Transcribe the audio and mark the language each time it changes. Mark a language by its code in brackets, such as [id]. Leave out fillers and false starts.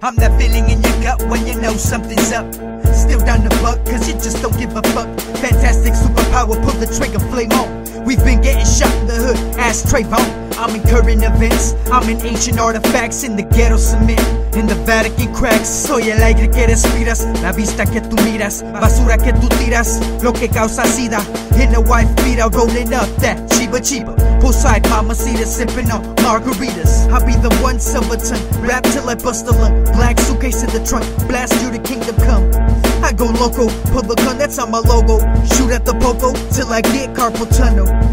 [en] I'm that feeling in your gut when you know something's up. Still down the buck, cause you just don't give a fuck. Fantastic superpower, pull the trigger, flame on. We've been getting shot in the hood, ass Trayvon. I'm in current events, I'm in ancient artifacts. In the ghetto cement, in the Vatican cracks. [es] Soy el aire que respiras, la vista que tú miras. Basura que tú tiras, lo que causa sida. [en] In the white feet, I'm rolling up that Chiba Chiba. Poolside mamacita, sipping on margaritas. I'll be the one silverton, rap till I bust a lung. Black suitcase in the trunk, blast you to kingdom come. I go loco, pull a gun, that's on my logo. Shoot at the popo, till I get carpal tunnel.